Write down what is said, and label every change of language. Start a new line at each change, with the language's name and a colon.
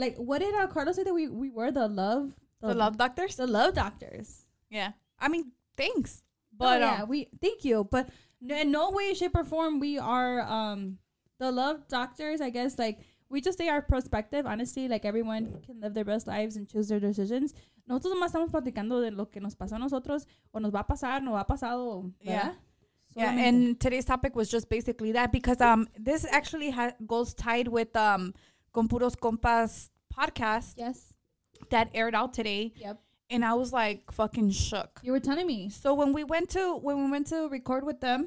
English: Like what did Carlos say that we were the love doctors? The love doctors. Yeah, I mean, thanks. But thank you. But in no way, shape, or form, we are the love doctors. I guess like we just say our perspective. Honestly, like everyone can live their best lives and choose their decisions.
Spanish: Nosotros más estamos platicando de lo que nos pasó a nosotros o nos va a pasar, no ha pasado. ¿Verdad?
English: Yeah, yeah. And today's topic was just basically that because this actually goes tied with Con Puros Compas podcast. Yes, that aired out today. Yep. And I was like fucking shook. You were telling me. So when we went to record with them,